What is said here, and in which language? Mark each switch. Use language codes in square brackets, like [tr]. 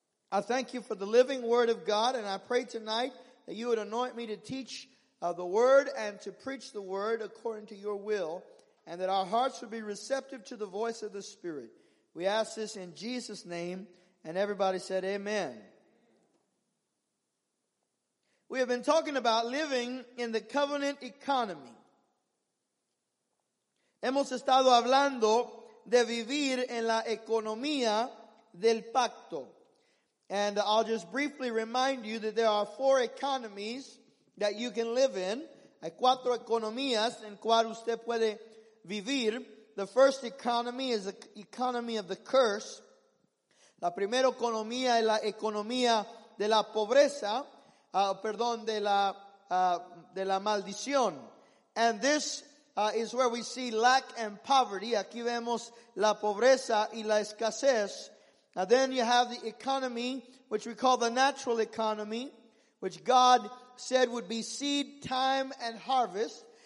[en] I thank you for the living word of God, and I pray tonight that you would anoint me to teach the word and to preach the word according to your will, and that our hearts would be receptive to the voice of the Spirit. We ask this in Jesus' name, and everybody said amen. We have been talking about living in the covenant economy. [es] Hemos estado hablando de vivir en la economía del pacto. [en] And I'll just briefly remind you that there are four economies that you can live in. [es] Hay cuatro economías en cual usted puede vivir. [en] The first economy is the economy of the curse. [es] La primera economía es la economía de la pobreza, de la maldición. [en] And this is where we see lack and poverty. [es] Aquí vemos la pobreza y la escasez. [en] Now then you have the economy, which we call the natural economy, which God said would be seed, time, and harvest.